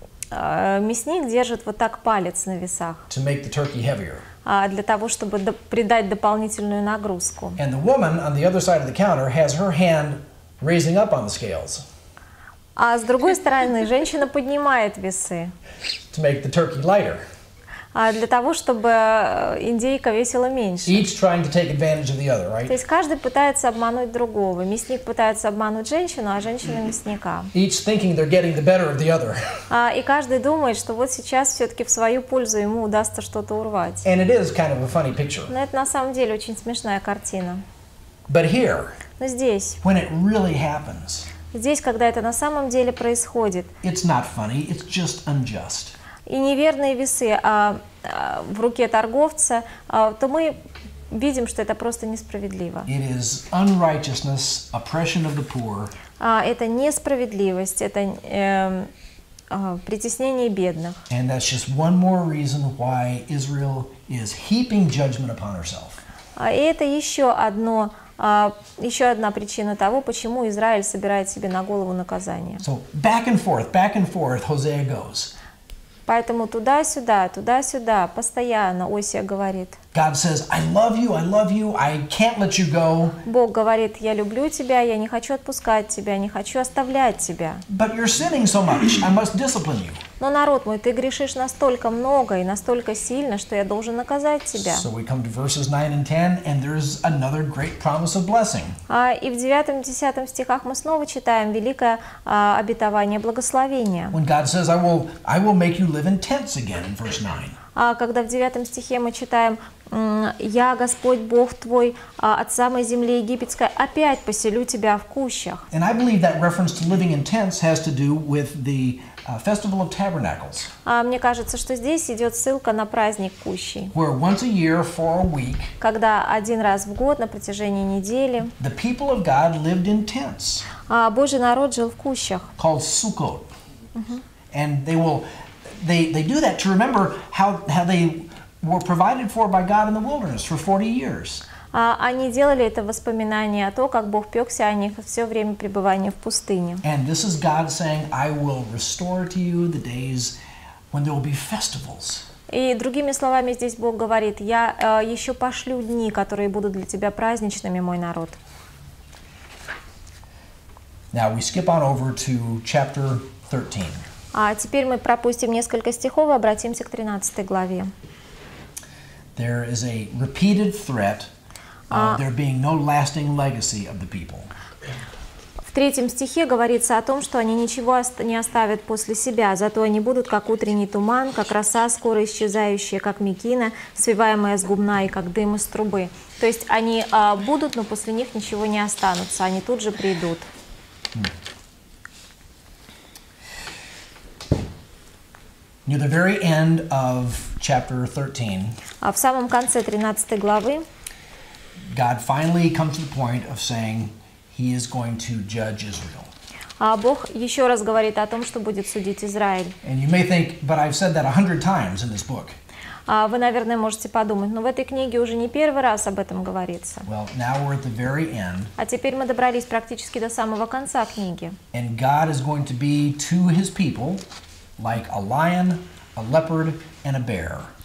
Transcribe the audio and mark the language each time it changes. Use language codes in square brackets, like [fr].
[ru] Мясник держит вот так палец на весах. [en] To make the turkey heavier. [ru] Для того, чтобы придать дополнительную нагрузку. [en] And the woman on the other side of the counter has her hand raising up on the scales. [ru] А с другой стороны, женщина поднимает весы. [en] To make the turkey lighter. [ru] Для того, чтобы индейка весила меньше. [en] Each trying to take advantage of the other, right? [ru] То есть каждый пытается обмануть другого. Мясник пытается обмануть женщину, а женщина мясника. [en] Each thinking they're getting the better of the other. [ru] И каждый думает, что вот сейчас все-таки в свою пользу ему удастся что-то урвать. [en] And it is kind of a funny picture. [ru] Но это на самом деле очень смешная картина. [en] But here, [ru] но здесь, [en] when it really happens, [ru] здесь, когда это на самом деле происходит, [en] it's not funny, it's just unjust. [ru] И неверные весы в руке торговца, то мы видим, что это просто несправедливо. [en] It is unrighteousness, oppression of the poor. [ru] Это несправедливость, это притеснении бедных. [en] And that's just one more reason why Israel is heaping judgment upon herself. [ru] И это еще одно, еще одна причина того, почему Израиль собирает себе на голову наказание. [en] So back and forth, Hosea goes. [ru] Поэтому туда-сюда, постоянно Осия говорит. [en] God says, I love you, I love you, I can't let you go. [ru] Бог говорит, я люблю тебя, я не хочу отпускать тебя, не хочу оставлять тебя. [en] But you're sinning so much, I must discipline you. [ru] Но, народ мой, ты грешишь настолько много и настолько сильно, что я должен наказать тебя. [en] So we come to verses 9 and 10, and there's another great promise of blessing. [ru] И в 9-10 стихах мы снова читаем великое обетование благословения. [en] When God says, I will make you live in tents again, in verse 9. [ru] Когда в 9 стихе мы читаем, «Я, Господь, Бог твой, от самой земли египетской, опять поселю тебя в кущах». [en] And I believe that reference to living in tents has to do with the Festival of Tabernacles. [ru] Мне кажется, что здесь идет ссылка на праздник кущей. [en] Where once a year for a week, [ru] когда один раз в год на протяжении недели, [en] the people of God lived in tents. [ru] Божий народ жил в кущах. [en] Called Sukkot. And they do that to remember how they were provided for by God in the wilderness for 40 years. [ru] Они делали это воспоминание о том, как Бог пёкся о них все время пребывания в пустыне. [en] And this is God saying, I will restore to you the days when there will be festivals. [ru] И другими словами, здесь Бог говорит, я еще пошлю дни, которые будут для тебя праздничными, мой народ. [en] Now we skip on over to chapter 13. [ru] Теперь мы пропустим несколько стихов и обратимся к 13 главе. [en] There is a repeated threat of there being no lasting legacy of the people. [ru] В 3 стихе говорится о том, что они ничего не оставят после себя, зато они будут как утренний туман, как роса, скоро исчезающая, как мекина, свиваемая с губна и как дым из трубы. То есть они будут, но после них ничего не останутся, они тут же придут. [en] Near the very end of chapter 13. [ru] В самом конце 13 главы. [en] God finally comes to the point of saying he is going to judge Israel. [ru] Бог еще раз говорит о том, что будет судить Израиль. [en] And you may think, but I've said that 100 times in this book. [ru] Вы, наверное, можете подумать, но в этой книге уже не первый раз об этом говорится. [en] Well, now we're at the very end. [ru] А теперь мы добрались практически до самого конца книги. [en] And God is going to be to his people like a lion, a leopard, and a bear.